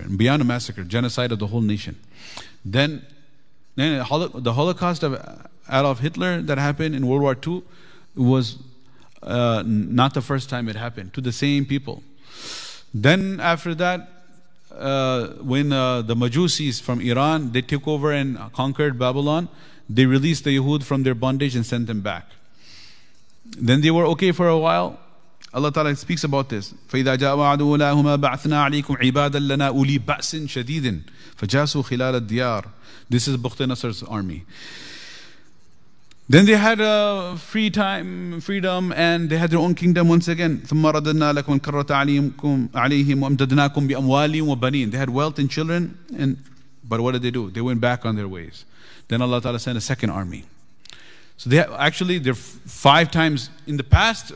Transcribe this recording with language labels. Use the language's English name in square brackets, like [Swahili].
[English] And beyond a massacre, genocide of the whole nation. Then the Holocaust of Adolf Hitler that happened in World War II was not the first time it happened to the same people. Then after that, when the Majusis from Iran, they took over and conquered Babylon, they released the Yehud from their bondage and sent them back. Then they were okay for a while. Allah Ta'ala speaks about this. [Arabic] فَإِذَا جَاءَ عَدُوُّ لَهُمَا بَعْثْنَا عَلَيْكُمْ عِبَادًا لَنَا أُولِي بَأْسٍ شَدِيدٍ فَجَاسُوا خِلَالَ الدِّيَارِ [English] This is Bukht Nasr's army. Then they had free time, freedom, and they had their own kingdom once again. [Arabic] ثُمَّ رَدَدْنَا لَكُمْ كَرَّةَ عَلَيْهِمْ وَأَمْدَدْنَاكُمْ بِأَمْوَالٍ وَبَنِينَ [English] They had wealth and children, but what did they do? They went back on their ways. Then Allah Ta'ala sent a second army. So they actually, they're five times in the past.